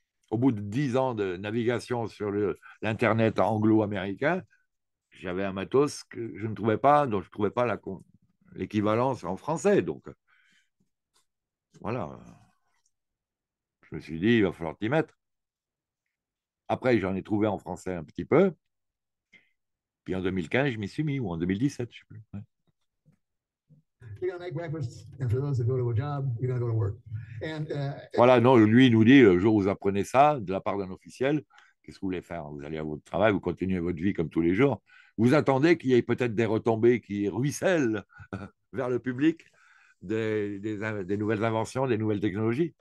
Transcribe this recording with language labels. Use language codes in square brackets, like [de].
[fr] Au bout de 10 ans de navigation sur l'Internet anglo-américain, j'avais un matos que je ne trouvais pas, dont je ne trouvais pas la l'équivalence en français, donc voilà. Je me suis dit, il va falloir t'y mettre. Après, j'en ai trouvé en français un petit peu. Puis en 2015, je m'y suis mis, ou en 2017, je ne sais plus. Ouais. [en] You're gonna make breakfast, and for those that go to a job, you're gonna go to work. And [fr] voilà, non, lui nous dit le jour où vous apprenez ça de la part d'un officiel, qu'est-ce que vous voulez faire? Vous allez à votre travail, vous continuez votre vie comme tous les jours. Vous attendez qu'il y ait peut-être des retombées qui ruissellent vers le public, des nouvelles inventions, des nouvelles technologies.